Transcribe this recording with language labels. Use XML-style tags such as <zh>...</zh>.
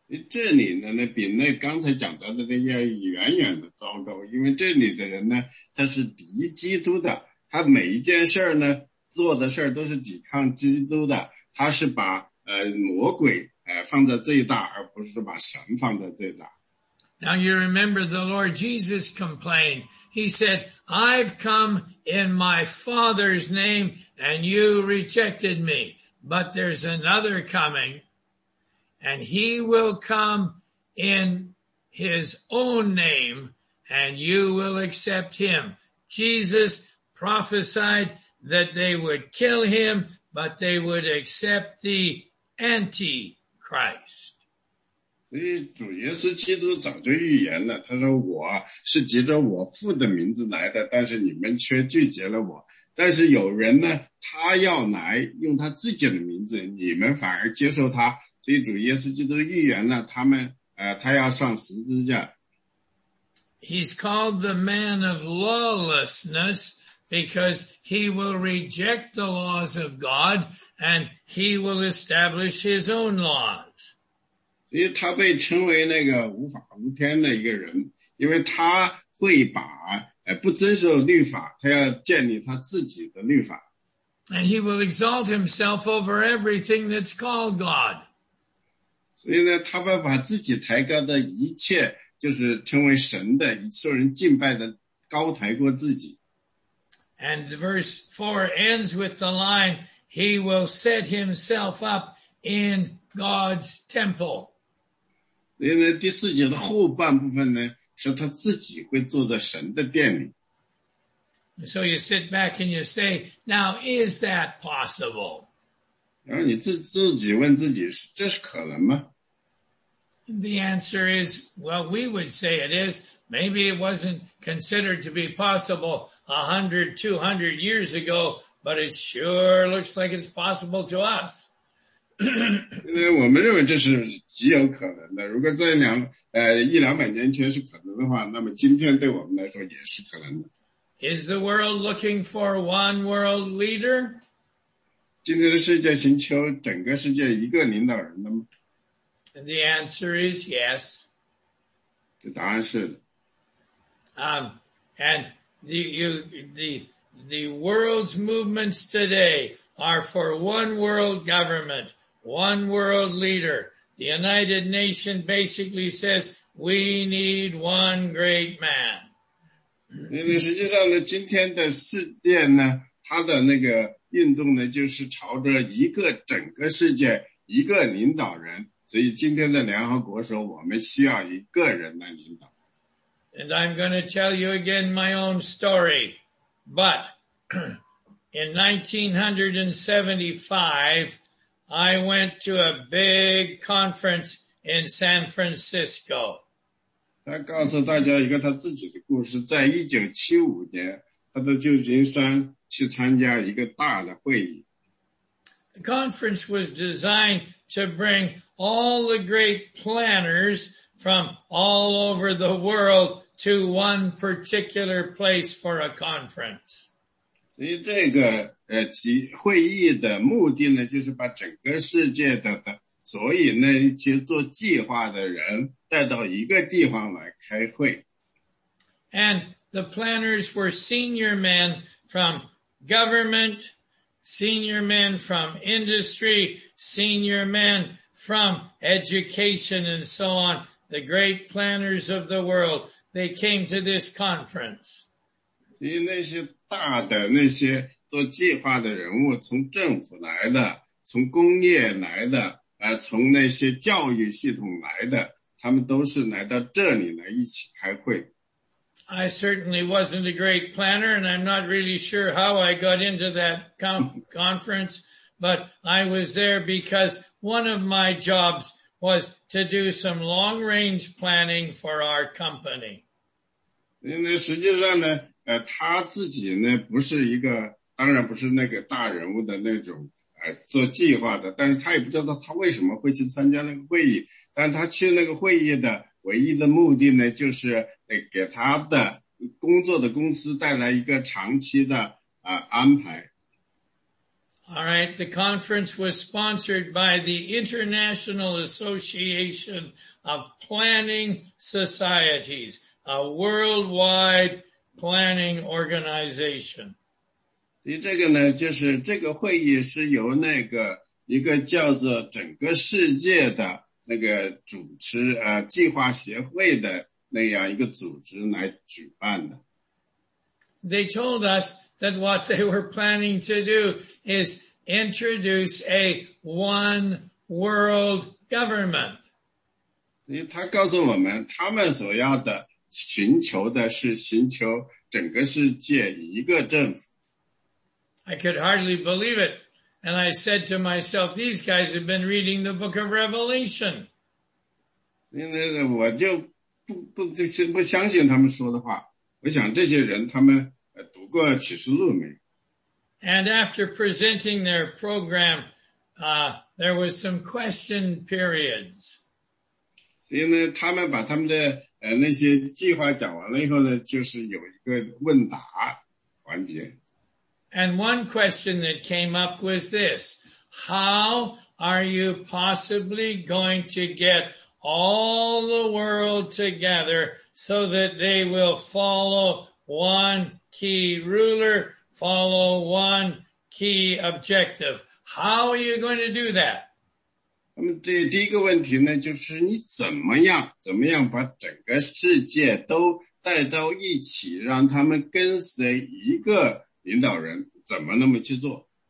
<zh>这里呢，那比那刚才讲到的那要远远的糟糕，因为这里的人呢，他是敌基督的，他每一件事呢。做的事都是抵抗基督的，他是把魔鬼放在最大，而不是把神放在最大。</zh> <en>Now you remember the Lord Jesus complained. He said, I've come in my Father's name and you rejected me. But there's another coming and he will come in his own name and you will accept him. Jesus prophesied that they would kill him, but they would accept the Antichrist.</en> <zh>所以主耶稣基督早就预言了，他说我是藉着我父的名字来的，但是你们却拒绝了我。但是有人呢，他要来用他自己的名字，你们反而接受他。所以主耶稣基督预言了他们，他要上十字架。</zh> <en>He's called the man of lawlessness because he will reject the laws of God and he will establish his own laws.</en> <zh>因为他被称为那个无法无天的一个人，因为他会把不遵守律法，他要建立他自己的律法。</zh> <en>And he will exalt himself over everything that's called God.</en> <zh>所以呢，他会把自己抬高的一切，就是称为神的，受人敬拜的，高抬过自己。</zh> <en>And verse 4 ends with the line, he will set himself up in God's temple.</en> <zh>因为第四节的后半部分呢，是他自己会坐在神的殿里。</zh> <en>So you sit back and you say, now is that possible?</en> <zh>然后你自己问自己，这是可能吗？</zh> <en>The answer is, well, we would say it is. Maybe it wasn't considered to be possible 100, 200 years ago, but it sure looks like it's possible to us.</en> <zh>因为我们认为这是极有可能的，如果在一两百年前是可能的话，那么今天对我们来说也是可能的。</zh> <en>Is the world looking for one world leader?</en> <zh>今天的世界寻求整个世界一个领导人的吗？</zh> <en>And the answer is yes.</en> <zh>这答案是的。</zh> <en>And the world's movements today are for one world government. One world leader. The United Nations basically says, we need one great man.</en> <zh>实际上呢，今天的世界呢，它的那个运动呢，就是朝着一个整个世界，一个领导人。所以今天的联合国说，我们需要一个人来领导。</zh> <en>And I'm going to tell you again my own story. But in 1975,I went to a big conference in San Francisco.</en> <zh>他告诉大家一个他自己的故事，在1975年，他到旧金山去参加一个大的会议。</zh> <en>The conference was designed to bring all the great planners from all over the world to one particular place for a conference.</en> <zh>所以这个会议的目的呢，就是把整个世界的所以那些做计划的人带到一个地方来开会。</zh> <en>And the planners were senior men from government, senior men from industry, senior men from education and so on. The great planners of the world, they came to this conference.</en> <zh>所以那些大的那些做计划的人物，从政府来的，从工业来的，从那些教育系统来的，他们都是来到这里来一起开会。</zh> <en>I certainly wasn't a great planner, and I'm not really sure how I got into that conference, but I was there because one of my jobs was to do some long-range planning for our company.</en> <zh>那实际上呢？他自己呢不是一个，当然不是那个大人物的那种做计划的，但是他也不知道他为什么会去参加那个会议，但是他去那个会议的唯一的目的呢，就是给他的工作的公司带来一个长期的安排。</zh> <en>Alright, the conference was sponsored by the International Association of Planning Societies, a worldwide planning organization.</en> <zh>这个呢就是这个会议是由那个一个叫做整个世界的那个主持计划协会的那样一个组织来举办的。</zh> <en>They told us that what they were planning to do is introduce a one world government.</en> <zh>他告诉我们他们所要的寻求的是寻求整个世界一个政府。</zh> <en>I could hardly believe it. And I said to myself, these guys have been reading the book of Revelation.</en> <zh>我就 不相信他们说的话。我想这些人他们读过启示录没有。</zh> <en>And after presenting their program, there was some question periods.</en> <zh>所以呢他们把他们的那些计划讲完了以后呢就是有一个问答环节。</zh> <en>And one question that came up was this. How are you possibly going to get all the world together so that they will follow one key ruler, follow one key objective? How are you going to do that?</en> <zh>那么这第一个问题呢就是你怎么样把整个世界都带到一起让他们跟随一个领导人怎么那么去做</zh>